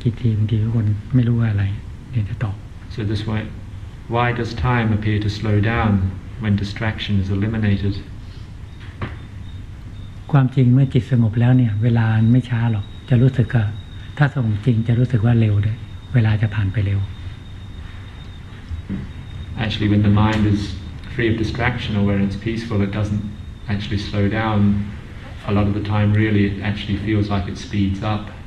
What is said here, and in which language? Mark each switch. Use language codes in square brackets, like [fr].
[en] So this way, why does time appear to slow down when distraction is eliminated? [th] ความจริงเมื่อจิตสงบแล้วเนี่ยเวลาไม่ช้าหรอกจะรู้สึกถ้าสงบจริงจะรู้สึกว่าเร็วด้วยเวลาจะผ่านไปเร็ว [en] Actually when the mind is free of distraction or when it's peaceful it doesn't actually slow down a lot of the time really it actually feels like it speeds up